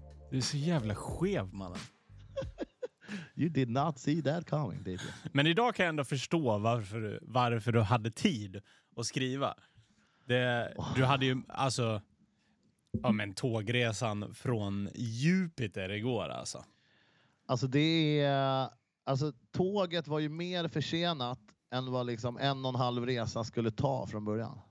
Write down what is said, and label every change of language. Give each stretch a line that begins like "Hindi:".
Swedish: Du är så jävla skev, mannen.
English: You did not see that coming, did you?
Swedish: Men idag kan jag ändå förstå varför du hade tid att skriva. Du hade ju, alltså, ja men tågresan från Jupiter igår alltså. Alltså det är, alltså tåget var ju mer försenat än vad liksom en och en halv resa skulle ta från början.